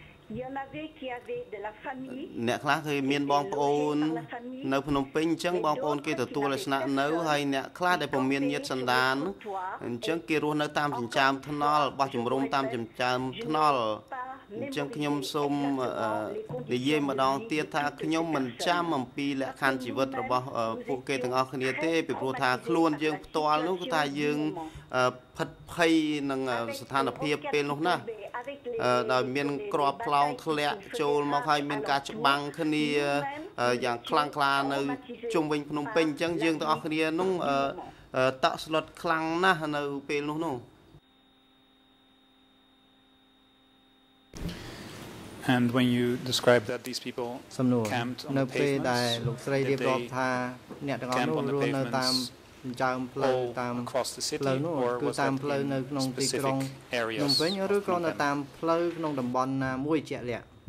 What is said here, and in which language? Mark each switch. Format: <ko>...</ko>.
<fr>Il y en avait qui avaient de la famille.</fr> <km>អ្នកខ្លះគឺមានបងប្អូននៅភ្នំពេញអញ្ចឹងបងប្អូនគេទទួលស្នាក់នៅហើយអ្នកខ្លះដែលពុំមានញាតិសន្តានអញ្ចឹងគេរស់នៅតាមចិញ្ចើមថ្នល់បោះជំរំតាមចិញ្ចើមថ្នល់អញ្ចឹងខ្ញុំសូម និយាយម្ដងទៀតថាខ្ញុំមិនចាំអំពីលក្ខខណ្ឌជីវិតរបស់ពួកគេទាំងអស់គ្នាទេពីព្រោះថាខ្លួនយើងផ្ទាល់នោះគឺថាយើងផិតភ័យនឹងស្ថានភាពពេលនោះណាដោយមានក្របផ្លោងធ្លាក់ចូលមកហើយមានការច្បាំងគ្នាយ៉ាងខ្លាំងក្លានៅជុំវិញភ្នំពេញអញ្ចឹងយើងទាំងអស់គ្នានោះតក់ស្លុតខ្លាំងណាស់នៅពេលនោះនោះ</km> <en>And when you describe that these people camped on the pavements</en> <km>នៅពេលដែលលោកស្រីរៀបរាប់ថាអ្នកទាំងអស់នោះរស់នៅតាមចំចាំផ្លូវតាមផ្លូវនោះគឺតាមផ្លូវនៅក្នុងទីក្រុងភ្នំពេញឬក៏នៅតាមផ្លូវក្នុងតំបន់ណាមួយជាក់លាក់</km>